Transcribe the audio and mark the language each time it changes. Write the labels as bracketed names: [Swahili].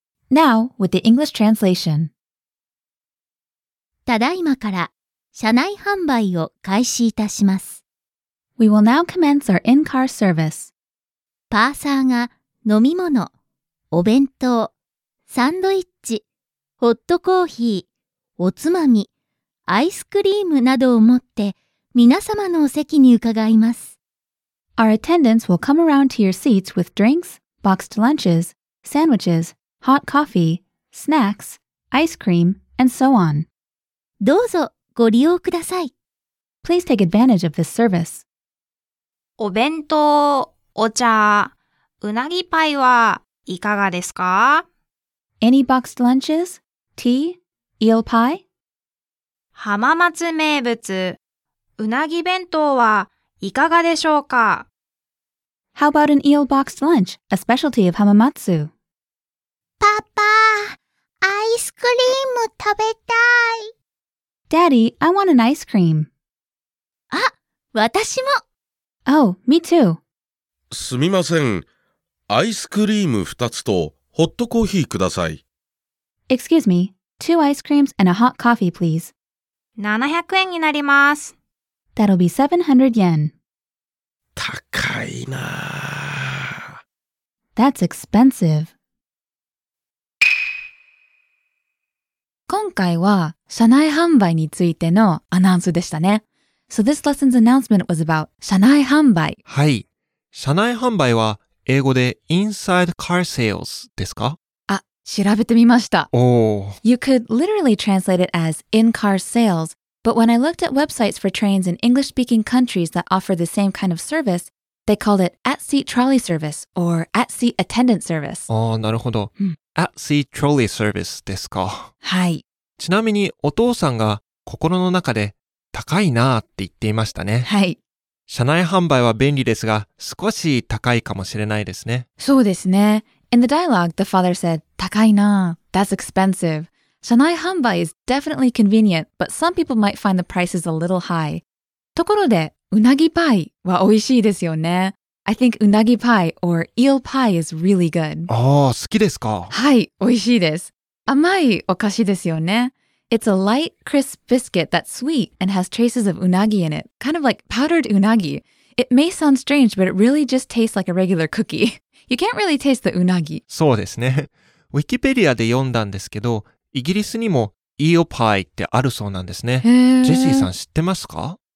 [English] Now, with the English translation. [Japanese] ただいまから車内販売を開始いたします。 [English] We will now commence our in-car service. [Japanese] パーサーが飲み物、お弁当、サンドイッチ、ホットコーヒー、おつまみ、アイスクリームなどを持って皆様のお席に伺います。 [English] Our attendants will come around to your seats with drinks, boxed lunches, sandwiches, hot coffee, snacks, ice cream, and so on. [Japanese] どうぞご利用ください。 [English] Please take advantage of this service. [Japanese] お弁当、お茶、うなぎパイはいかがですか? [English] Any boxed lunches? Tea? Eel pie? [Japanese] 浜松名物、うなぎ弁当はいかがでしょうか? [English] How about an eel boxed lunch, a specialty of Hamamatsu? [Japanese] パパ、アイスクリーム食べたい。 [English] Daddy, I want an ice cream. [Japanese] あ、私も。 [English] Oh, me too. [Japanese] すみません。アイスクリーム2つとホットコーヒーください。 [English] Excuse me. Two ice creams and a hot coffee, please. [Japanese] 700円になります。 [English] That'll be 700 yen. [Japanese] 高いな。 [English] That's expensive. [Japanese] 今回は車内販売についてのアナウンスでしたね。 [English] So this lesson's announcement was about 車内販売。 [Japanese] はい。車内販売は英語でインサイドカーセールスですか？あ、調べてみました。おお。 [English] You could literally translate it as in-car sales, but when I looked at websites for trains in English-speaking countries that offer the same kind of service, they called it at-seat trolley service or at-seat attendant service. [Japanese] あ、なるほど。 [English] at-seat trolley service [Japanese] ですか。はい。ちなみにお父さんが心の中で高いなって言っていましたね。はい。車内販売は便利ですが、少し高いかもしれないですね。そうですね。 [English] In the dialogue, the father said, [Japanese] 高いな。 [English] That's expensive. 車内販売 is definitely convenient, but some people might find the prices a little high. [Japanese] ところで、うなぎパイは美味しいですよね。 [English] I think うなぎパイ or eel pie is really good. [Japanese] ああ、好きですか。はい、美味しいです。甘いお菓子ですよね。 [English] It's a light, crisp biscuit that's sweet and has traces of unagi in it. Kind of like powdered unagi. It may sound strange, but it really just tastes like a regular cookie. You can't really taste the unagi. [Japanese] そうですね。ウィキペディアで読んだんですけど、イギリスにもイオパイってあるそうなんですね。ジェシーさん知ってますか？